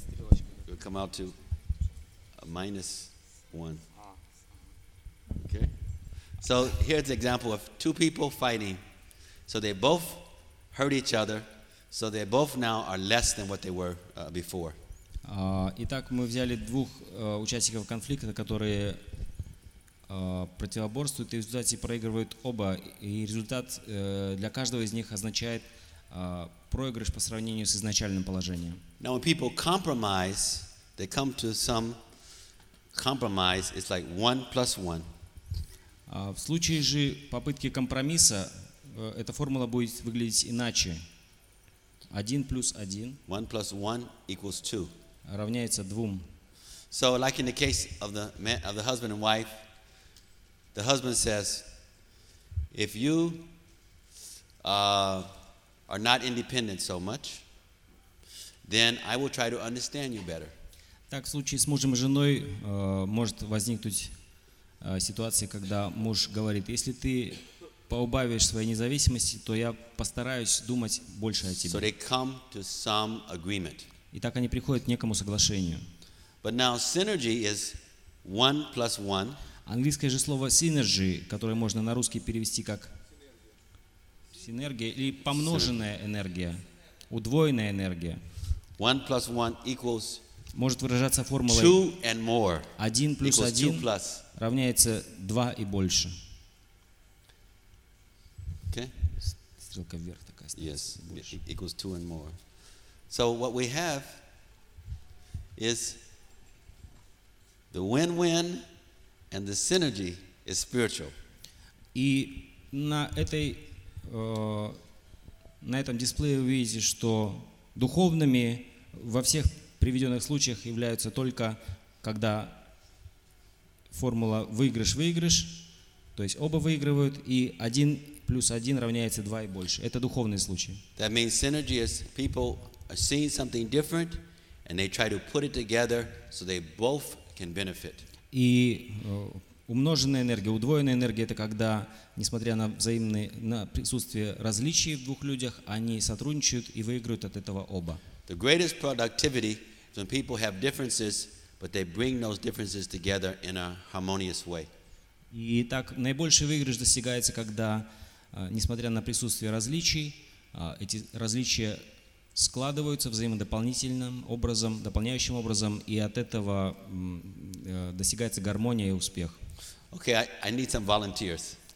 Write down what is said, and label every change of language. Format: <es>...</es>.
<en>It would come out to a minus one. Okay? So here's the example of two people fighting. So they both hurt each other. So they both now are less than what they were before.</en> <ru>Итак, мы взяли двух участников конфликта, которые противоборствуют и в результате проигрывают оба. И результат для каждого из них означает проигрыш по сравнению с изначальным положением.</ru> <en>Now when people compromise, they come to some compromise, it's like one plus one.</en> <ru>В случае же попытки компромисса, эта формула будет выглядеть иначе. Один плюс один.</ru> <en>One plus one equals two.</en> <ru>Равняется двум.</ru> <en>So like in the case of the man, of the husband and wife, the husband says, if you are not independent so much, then I will try to understand you better.</en> <ru>Так, в случае с мужем и женой может возникнуть ситуация, когда муж говорит, если ты поубавишь своей независимости, то я постараюсь думать больше о тебе.</ru> <en>So they come to some agreement.</en> <ru>И так они приходят к некому соглашению.</ru> <en>But now synergy is one plus one.</en> <ru>Английское же слово synergy, которое можно на русский перевести как синергия или помноженная энергия, удвоенная энергия.</ru> <en>One plus one equals</en> <ru>может выражаться формулой</ru> <en>two and more.</en> <ru>Один плюс один</ru> <en>plus.</en> <ru>Равняется два и больше.</ru> <en>Okay.</en> <ru>Стрелка вверх такая.</ru> <en>Yes, equals two and more. So what we have is the win-win and the synergy is spiritual.</en> <ru>И на этой на этом дисплее вы видите, что духовными во всех приведенных случаях являются только когда формула выигрыш-выигрыш, то есть оба выигрывают, и один плюс один равняется два и больше. Это духовный случай.</ru> <en>That means synergy is people are seeing something different and they try to put it together so they both can benefit.</en> <ru>И умноженная энергия, удвоенная энергия — это когда, несмотря на взаимные, на присутствие различий в двух людях, они сотрудничают и выигрывают от этого оба.</ru> <en>The greatest productivity is when people have differences, but they bring those differences together in a harmonious way.</en> <ru>И так наибольший выигрыш достигается, когда, несмотря на присутствие различий, эти различия складываются взаимодополнительным образом, дополняющим образом, и от этого достигается гармония и успех.</ru> <en>Okay, I need some volunteers.</en>